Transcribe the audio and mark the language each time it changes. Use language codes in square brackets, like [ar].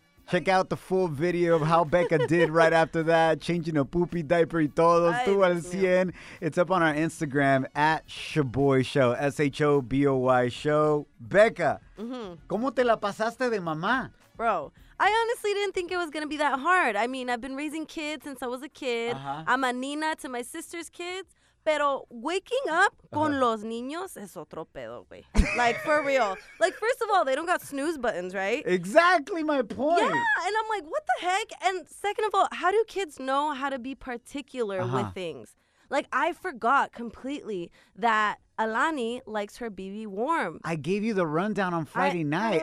[en] Check out the full video of how Becca did right after that, changing a poopy diaper [es] y todo, tu al 100. [en] It's up on our Instagram, at Shaboy Show, S-H-O-B-O-Y Show. Becca, ¿cómo te la pasaste de mamá? Bro, I honestly didn't think it was going to be that hard. I mean, I've been raising kids since I was a kid. Uh-huh. I'm a nina to my sister's kids. [es] Pero [en] waking up [es] con los niños es otro pedo, güey. [en] Like, for real. Like, first of all, they don't got snooze buttons, right? Exactly my point. Yeah, and I'm like, what the heck? And second of all, how do kids know how to be particular with things? Like, I forgot completely that Alani likes her BB warm. I gave you the rundown on Friday night.